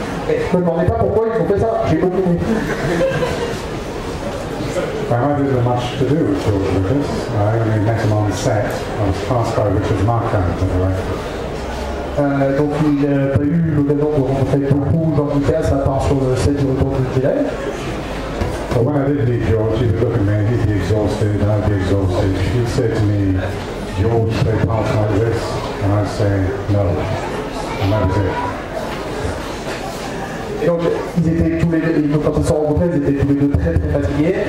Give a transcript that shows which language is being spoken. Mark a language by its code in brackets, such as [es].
[fr] Et je ne me demandais pas pourquoi ils ont fait ça, j'ai pas compris. [en] I had not much to do with George Lucas. I only met him on set. I was passed by Richard Marquand, by the way. [fr] Donc il n'a pas eu l'occasion de rencontrer beaucoup Jean-Lucas à part sur le set du retour du Jedi. [en] But when I did meet George, he would look at me, he'd be exhausted, I'd be exhausted. He'd say to me, George, they pass like this, and I'd say, no. And that was it. [fr] Et donc ils étaient tous les deux, quand ils se sont rencontrés, ils étaient tous les deux très très fatigués.